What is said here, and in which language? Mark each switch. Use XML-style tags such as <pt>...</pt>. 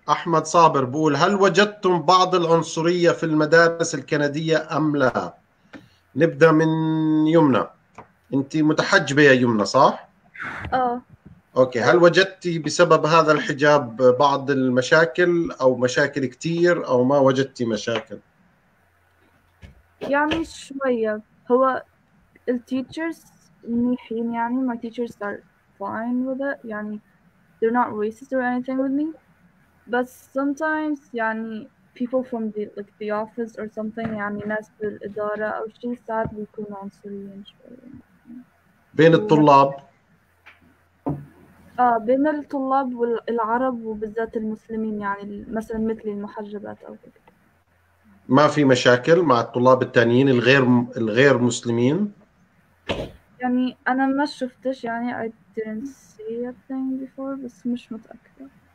<ar>احمد صابر بقول: هل وجدتم بعض العنصريه في المدارس الكنديه ام لا؟ نبدا من يمنى، انت متحجبه يا يمنى صح؟ اوكي، هل وجدتي بسبب هذا الحجاب بعض المشاكل او مشاكل كتير، او ما وجدتي مشاكل؟ يعني شويه، هو التيتشرز منيحين،</ar> <en>يعني my teachers are fine with it، يعني they're not racist or anything with me. But sometimes,</en> <ar>يعني</ar> <en>people from the like the office or something,</en> <ar>يعني ناس بالإدارة أو شيء، ساعات بيكون عنصريين شوية. بين الطلاب؟ بين الطلاب والعرب وبالذات المسلمين، يعني مثلاً مثل المحجبات أو كده. ما في مشاكل مع الطلاب التانيين الغير مسلمين؟ يعني أنا ما شفتش، يعني</ar> <en>I didn't see a thing before،</en> <ar>بس مش متأكدة.</ar>